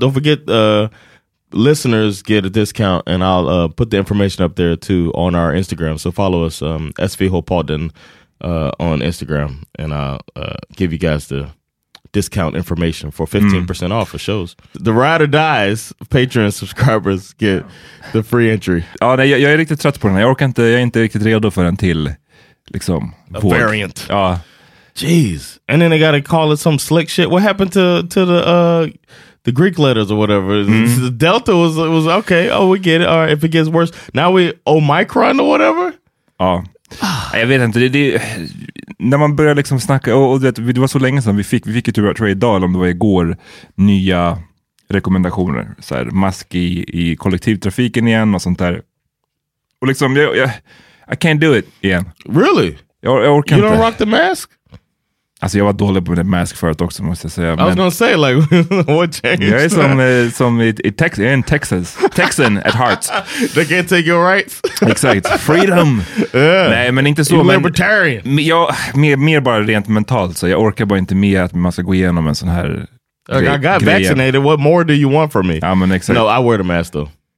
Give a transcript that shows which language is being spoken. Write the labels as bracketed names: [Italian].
[English] Don't forget listeners get a discount, and I'll put the information up there too on our Instagram. So follow us, svhopodden, on Instagram, and I'll give you guys the discount information for 15% off of shows. The ride or dies, Patreon subscribers get the free entry. [Swedish] Ja, nej, jag är riktigt trött på den. Jag är inte riktigt redo för den till, liksom, [English] a variant. [Swedish] Ja. [English] Jeez. And then they gotta call it some slick shit. What happened to the Greek letters or whatever. The Delta was okay. Oh, we get it. All right, if it gets worse. Now we Omicron or whatever? [Swedish] Ja. Jag vet inte. när man börjar liksom snacka, och du vet, det var så länge sedan vi fick ju tyvärr, tror jag, idag, eller om det var igår, nya rekommendationer, så här, mask i kollektivtrafiken igen och sånt där. Och liksom, [English] I can't do it [Swedish] igen. [English] Really? [Swedish] Jag orkar [English] you [Swedish] inte. [English] Don't rock the mask? [Swedish] Alltså jag var dålig på det mask förut också, måste jag säga. [English] I was gonna say, like, what changed? [Swedish] Jag är som i Texas, [English] in Texas. Texan at heart. They can't take your rights. [Swedish] Exakt, [English] freedom. Yeah. [Swedish] Nej, men inte så. [English] You're libertarian. [Swedish] Men jag, mer bara rent mentalt, så jag orkar bara inte mer att man ska gå igenom en sån här grej. [English] I got vaccinated, what more do you want from me? [Swedish] Ja, men exakt. [English] No, I wear the mask though.